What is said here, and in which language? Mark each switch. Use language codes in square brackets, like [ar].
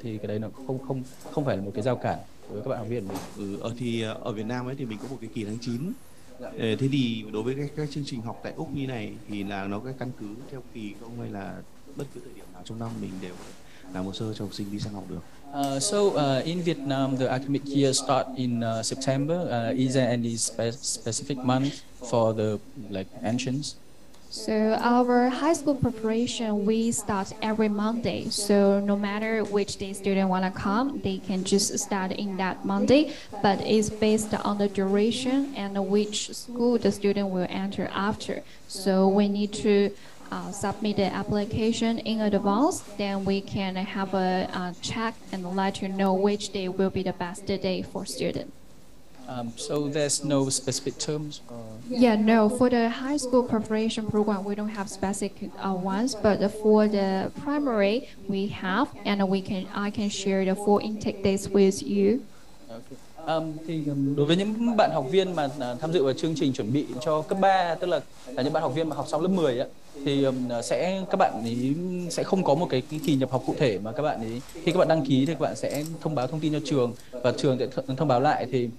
[vi] Thì cái đấy nó không phải là một cái rào cản với các bạn học viên. Ở Việt Nam ấy thì mình có một cái kỳ tháng 9. Thế thì đối với các chương trình học tại Úc như này thì là nó cái căn cứ theo kỳ không, hay là bất cứ thời điểm nào trong năm mình đều làm hồ sơ cho học sinh đi sang học được? [en] In Vietnam, the academic year start in September. Is there any specific month for the like entrance? So our high school preparation, we start every Monday. So no matter which day student want to come, they can just start in that Monday. But it's based on the duration and which school the student will enter after. So we need to submit the application in advance. Then we can have a check and let you know which day will be the best day for students. So there's no specific terms? Yeah, no. For the high school preparation program, we don't have specific ones. But for the primary, we have, and I can share the full intake dates with you. Okay. [vi] Thì đối với những bạn học viên mà tham dự vào chương trình chuẩn bị cho cấp 3, tức là những bạn học viên mà học xong lớp 10 á, thì các bạn ấy sẽ không có một cái kỳ nhập học cụ thể, mà các bạn ấy khi các bạn đăng ký thì các bạn sẽ thông báo thông tin cho trường và trường sẽ thông báo lại.